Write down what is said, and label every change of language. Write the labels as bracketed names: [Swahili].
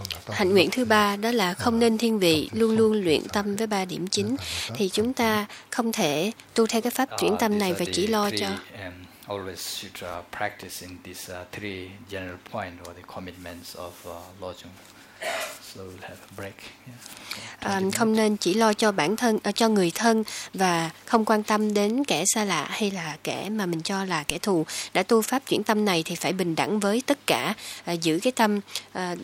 [Vietnamese] Hạnh nguyện thứ ba đó là không nên thiên vị, luôn luôn luyện tâm với ba điểm chính. Thì chúng ta không thể tu theo cái pháp chuyển tâm này và chỉ lo cho [English] always should practice in these three general points or the commitments of Lojong. So we'll have a break. [Vietnamese] Không nên chỉ lo cho bản thân, cho người thân và không quan tâm đến kẻ xa lạ hay là kẻ mà mình cho là kẻ thù. Đã tu pháp chuyển tâm này thì phải bình đẳng với tất cả, giữ cái tâm.